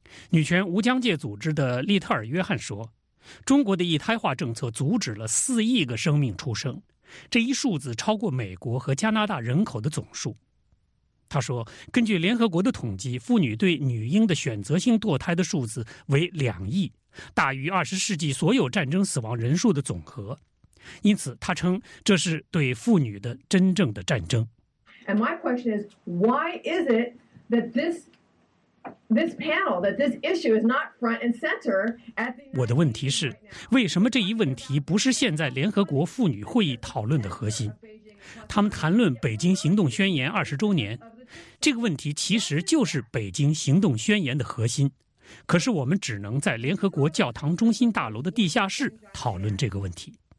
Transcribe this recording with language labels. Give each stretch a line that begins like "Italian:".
Chinese: 女权无疆界组织的利特尔·约翰说，中国的一胎化政策阻止了4亿个生命出生，这一数字超过美国和加拿大人口的总数。他说，根据联合国的统计，妇女对女婴的选择性堕胎的数字为2亿，大于20世纪所有战争死亡人数的总和。因此他称这是对妇女的真正的战争。
English: And my question is, why is it that this panel, that this issue is not front and center at the...
Chinese: 我的问题是，为什么这一问题不是现在联合国妇女会议讨论的核心？他们谈论北京行动宣言20周年，这个问题其实就是北京行动宣言的核心，可是我们只能在联合国教堂中心大楼的地下室讨论这个问题。